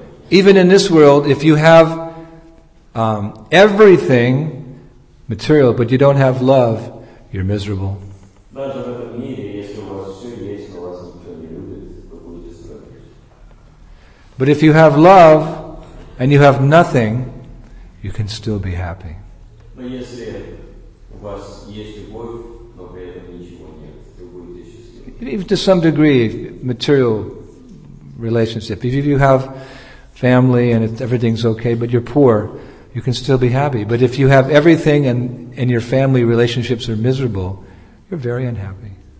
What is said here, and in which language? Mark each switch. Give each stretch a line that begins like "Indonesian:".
English: Even in this world, if you have everything material, but you don't have love, you're miserable. But if you have love and you have nothing, you can still be happy.
Russian: Если у вас есть любовь, но при этом ничего нет, вы будете счастливы.
English: even to some degree, material relationship. If you have family and everything's okay, but you're poor, you can still be happy. But if you have everything and your family relationships are miserable, you're very unhappy.